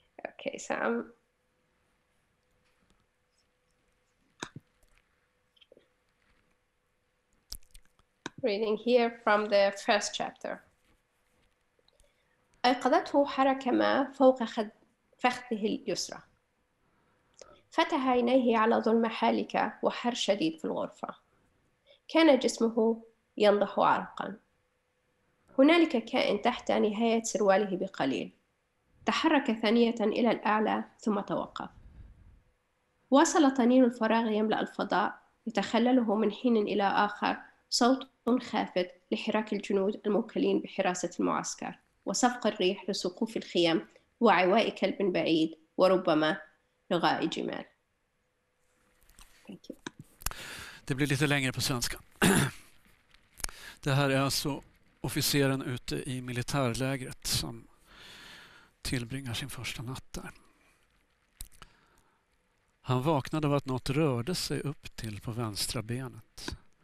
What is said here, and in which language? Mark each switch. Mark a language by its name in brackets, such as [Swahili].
[English] Okay, so I'm reading here from the first chapter. [Arabic] أيقظته حركة ما فوق فخذه اليسرى. فتح عينيه على ظلم حالك وحر شديد في الغرفة. كان جسمه ينضح عرقا. هنالك كائن تحت نهاية سرواله بقليل. تحرك ثانية إلى الأعلى ثم توقف. وصل طنين الفراغ يملأ الفضاء يتخلله من حين إلى آخر صوت خافت لحراك الجنود الموكلين بحراسة المعسكر وصفق الريح لسقوف الخيم وعواء كلب بعيد وربما لغاء جمال. [Swedish] Det blir lite längre på svenska. Det här är alltså officeren ute i militärlägret som tillbringar sin första natt där. Han vaknade av att något rörde sig upp till på vänstra benet.